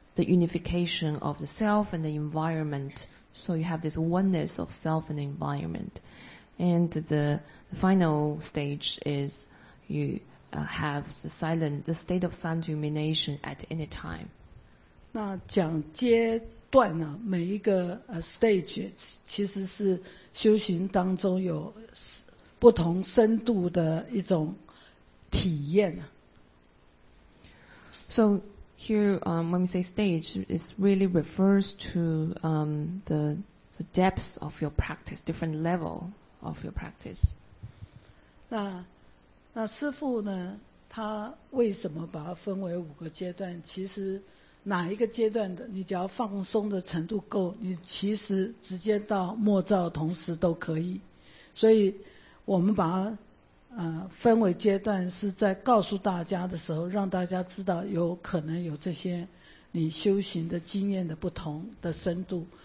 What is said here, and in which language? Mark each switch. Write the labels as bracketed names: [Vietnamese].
[English] the unification of the self and the environment. So you have this oneness of self and the environment. And the final stage is you have the silent, the state of silent illumination at any time. [Chinese] 那讲阶段呢、啊？每一个stage 其实是修行当中有不同深度的一种体验。 [English] So here, when we say stage, it really refers to the depths of your practice, different level of your practice. [Chinese] 那师父呢？他为什么把它分为五个阶段？其实哪一个阶段的你只要放松的程度够，你其实直接到末照同时都可以。所以我们把它分为阶段，是在告诉大家的时候让大家知道有可能有这些你修行的经验的不同的深度。